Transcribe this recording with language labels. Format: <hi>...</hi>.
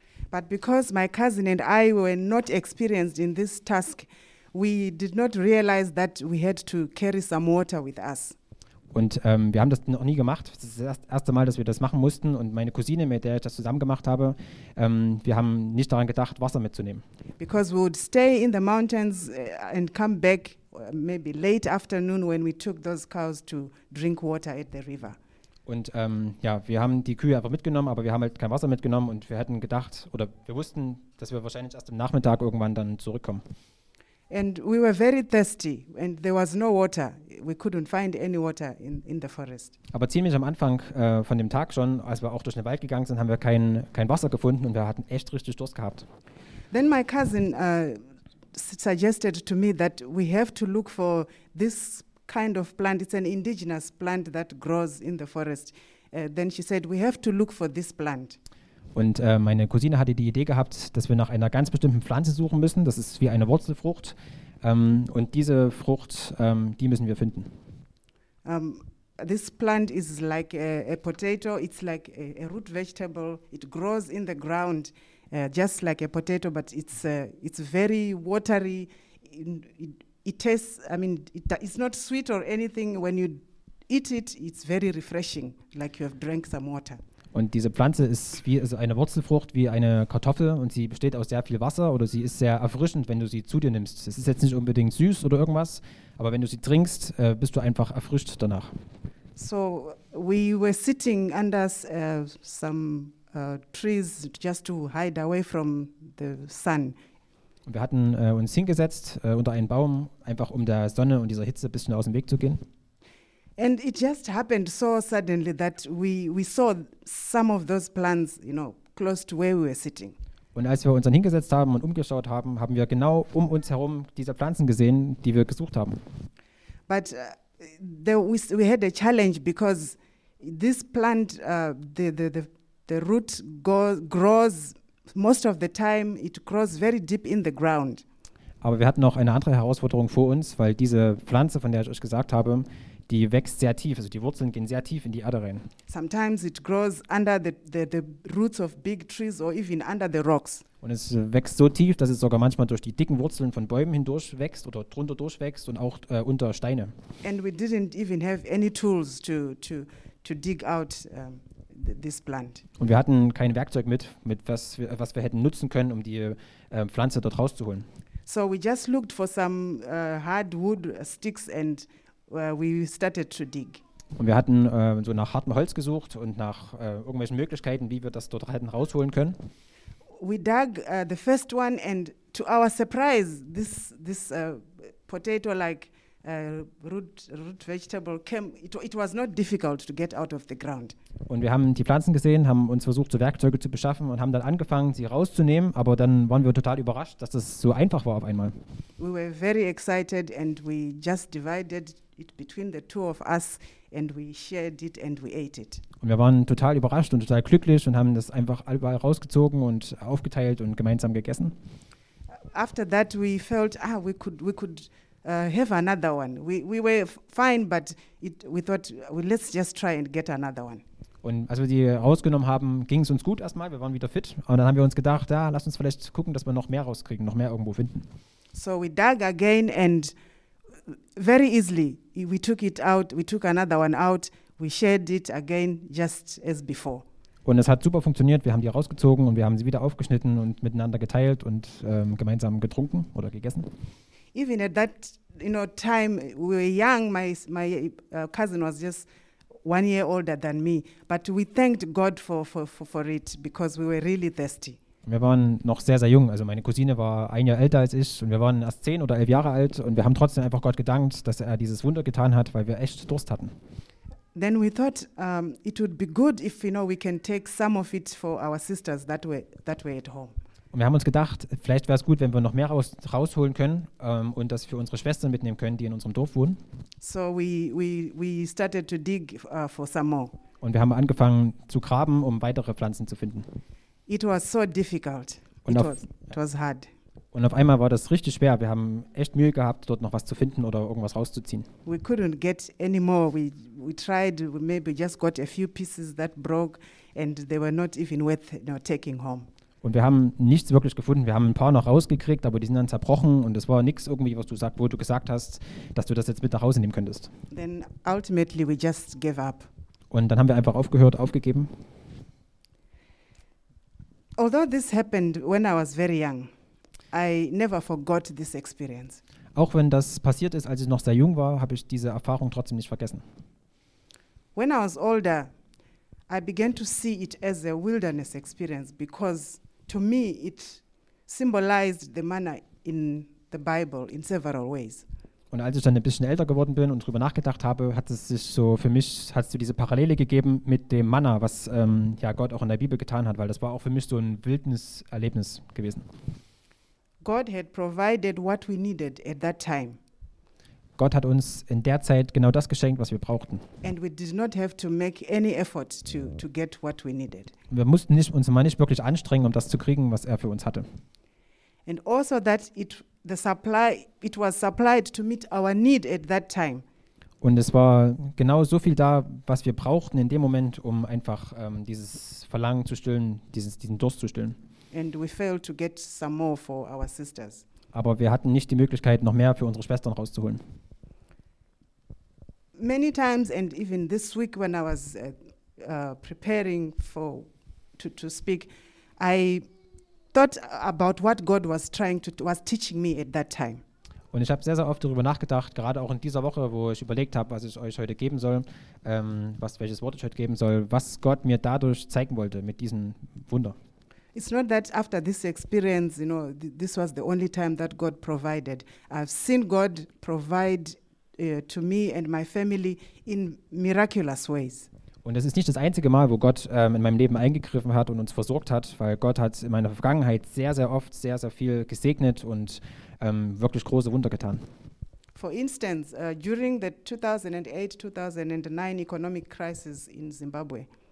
<en>But because my cousin and I were not experienced in this task, we did not realize that we had to carry some water with us.</en> <de>Und wir haben das noch nie gemacht. Das ist das erste Mal, dass wir das machen mussten. Und meine Cousine, mit der ich das zusammen gemacht habe, wir haben nicht daran gedacht, Wasser mitzunehmen.</de> <en>Because we would stay in the mountains and come back maybe late afternoon when we took those cows to drink water at the river.</en> <de>Und wir haben die Kühe einfach mitgenommen, aber wir haben halt kein Wasser mitgenommen und wir hätten gedacht oder wir wussten, dass wir wahrscheinlich erst am Nachmittag irgendwann dann zurückkommen.</de> <en>And we were very thirsty and there was no water. We couldn't find any water in the forest.</en> <de>Aber ziemlich am Anfang von dem Tag schon, als wir auch durch den Wald gegangen sind, haben wir kein Wasser gefunden und wir hatten echt richtig Durst gehabt.</de> <en>Then my cousin suggested to me that we have to look for this kind of plant. It's an indigenous plant that grows in the forest. Then she said we have to look for this plant.</en> <de>Und meine Cousine hatte die Idee gehabt, dass wir nach einer ganz bestimmten Pflanze suchen müssen. Das ist wie eine Wurzelfrucht. Und diese Frucht, die müssen wir finden.</de> <en>This plant is like a potato. It's like a root vegetable. It grows in the ground, just like a potato, but it's very watery. It's not sweet or anything. When you eat it, it's very refreshing, like you have drank some water.</en> <de>Und diese Pflanze ist wie also eine Wurzelfrucht, wie eine Kartoffel und sie besteht aus sehr viel Wasser oder sie ist sehr erfrischend, wenn du sie zu dir nimmst. Es ist jetzt nicht unbedingt süß oder irgendwas, aber wenn du sie trinkst, bist du einfach erfrischt danach.</de> <en>So we were sitting under some trees just to hide away from the sun.</en> <de>Und wir hatten uns hingesetzt unter einen Baum, einfach um der Sonne und dieser Hitze ein bisschen aus dem Weg zu gehen.</de> <en>And it just happened so suddenly that we saw some of those plants, you know, close to where we were sitting.</en> <de>Und als wir uns dann hingesetzt haben und umgeschaut haben, haben wir genau um uns herum diese Pflanzen gesehen, die wir gesucht haben.</de> <en>But we had a challenge because this plant the root grows most of the time it grows very deep in the ground.</en> <de>Aber wir hatten noch eine andere Herausforderung vor uns, weil diese Pflanze, von der ich euch gesagt habe, die wächst sehr tief, also die Wurzeln gehen sehr tief in die Erde rein.</de> <en>Sometimes it grows under the roots of big trees or even under the rocks.</en> <de>Und es wächst so tief, dass es sogar manchmal durch die dicken Wurzeln von Bäumen hindurch wächst oder drunter durchwächst und auch unter Steine.</de> <en>And we didn't even have any tools to dig out this plant.</en> <de>Und wir hatten kein Werkzeug mit was wir hätten nutzen können, um die Pflanze dort rauszuholen.</de> <en>So we just looked for some hard wood sticks and we started to dig.</en> <de>Und wir hatten so nach hartem Holz gesucht und nach irgendwelchen Möglichkeiten, wie wir das dort hätten rausholen können.</de> <en>We dug the first one and to our surprise this potato like root vegetable came. It was not difficult to get out of the ground.</en> <de>Und wir haben die Pflanzen gesehen, haben uns versucht, so Werkzeuge zu beschaffen und haben dann angefangen, sie rauszunehmen. Aber dann waren wir total überrascht, dass das so einfach war auf einmal.</de> <en>We were very excited and we just divided it between the two of us and we shared it and we ate it.</en> <de>Und wir waren total überrascht und total glücklich und haben das einfach überall rausgezogen und aufgeteilt und gemeinsam gegessen.</de> <en>After that we felt we could have another one. We were fine, but we thought let's just try and get another one.</en> <de>Und als wir die rausgenommen haben, ging es uns gut erstmal, wir waren wieder fit. Und dann haben wir uns gedacht, ja, lass uns vielleicht gucken, dass wir noch mehr rauskriegen, noch mehr irgendwo finden.</de> <en>So we dug again and very easily we took it out, we took another one out, we shared it again just as before.</en> <de>Und es hat super funktioniert, wir haben die rausgezogen und wir haben sie wieder aufgeschnitten und miteinander geteilt und gemeinsam getrunken oder gegessen.</de> <en>Even at that, you know, time we were young, my cousin was just 1 year older than me, but we thanked God for it because we were really thirsty.</en> <de>Wir waren noch sehr, sehr jung. Also meine Cousine war ein Jahr älter als ich und wir waren erst 10 oder 11 Jahre alt und wir haben trotzdem einfach Gott gedankt, dass er dieses Wunder getan hat, weil wir echt Durst hatten.</de> <en>Then we thought it would be good if, you know, we can take some of it for our sisters that were at home.</en> <de>Und wir haben uns gedacht, vielleicht wäre es gut, wenn wir noch mehr rausholen können und das für unsere Schwestern mitnehmen können, die in unserem Dorf wohnen.</de> <en>So we started to dig for some more.</en> <de>Und wir haben angefangen zu graben, um weitere Pflanzen zu finden.</de> <en>It was so difficult. It was hard.</en> <de>Und auf einmal war das richtig schwer. Wir haben echt Mühe gehabt, dort noch was zu finden oder irgendwas rauszuziehen.</de> <en>We couldn't get any more. We tried, we maybe just got a few pieces that broke and they were not even worth, you know, taking home.</en> <de>Und wir haben nichts wirklich gefunden. Wir haben ein paar noch rausgekriegt, aber die sind dann zerbrochen und es war nichts irgendwie, wo du gesagt hast, dass du das jetzt mit nach Hause nehmen könntest.</de> <en>Then ultimately we just gave up.</en> <de>Und dann haben wir einfach aufgehört, aufgegeben.</de> <en>Although this happened when I was very young, I never forgot this experience.</en> <de>Auch wenn das passiert ist, als ich noch sehr jung war, habe ich diese Erfahrung trotzdem nicht vergessen.</de> <en>When I was older, I began to see it as a wilderness experience because to me it symbolized the manna in the Bible in several ways.</en> <de>Und als ich dann ein bisschen älter geworden bin und drüber nachgedacht habe, hat es diese Parallele gegeben mit dem Manna, was Gott auch in der Bibel getan hat, weil das war auch für mich so ein Wildniserlebnis gewesen.</de> <en>God had provided what we needed at that time.</en> <de>Gott hat uns in der Zeit genau das geschenkt, was wir brauchten.</de> <en>And we did not have to make any effort to get what we needed.</en> <de>Wir mussten uns nicht wirklich anstrengen, um das zu kriegen, was er für uns hatte.</de> <en>And also that it was supplied to meet our need at that time.</en> <de>Und es war genau so viel da, was wir brauchten in dem Moment, um einfach dieses Verlangen zu stillen, diesen Durst zu stillen.</de> <en>And we failed to get some more for our sisters.</en> <de>Aber wir hatten nicht die Möglichkeit, noch mehr für unsere Schwestern rauszuholen.</de> <en>Many times and even this week when I was preparing for to speak, I thought about what God was teaching me at that time.</en> <de>Und ich habe sehr, sehr oft darüber nachgedacht, gerade auch in dieser Woche, wo ich überlegt habe, was ich euch heute geben soll, welches Wort ich heute geben soll, was Gott mir dadurch zeigen wollte mit diesem Wunder.</de> <en>It's not that after this experience, you know, this was the only time that God provided. I've seen God provide to me and my family in miraculous ways.</en> <de>Und das ist nicht das einzige Mal, wo Gott in meinem Leben eingegriffen hat und uns versorgt hat, weil Gott hat in meiner Vergangenheit sehr, sehr oft sehr, sehr viel gesegnet und wirklich große Wunder getan.</de> <en>For instance, during the 2008-2009 economic crisis in Zimbabwe.</en>